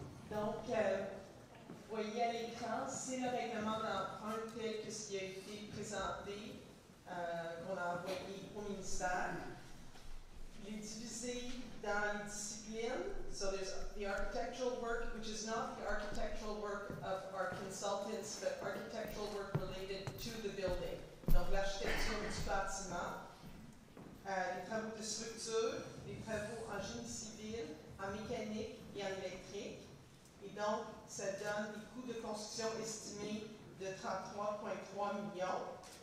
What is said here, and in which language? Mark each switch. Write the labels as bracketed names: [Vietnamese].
[French] Donc, voyez à l'écran, c'est le règlement d'emprunt tel que ce qui a été présenté, qu'on a envoyé au ministère. Il est divisé dans les disciplines. [English] So there's the architectural work, which is not the architectural work of our consultants, but architectural work related to the building. [French] Donc l'architecture du bâtiment, les travaux de structure, les travaux en génie civil, en mécanique et en électrique. Et donc, ça donne des coûts de construction estimés de 33,3 millions.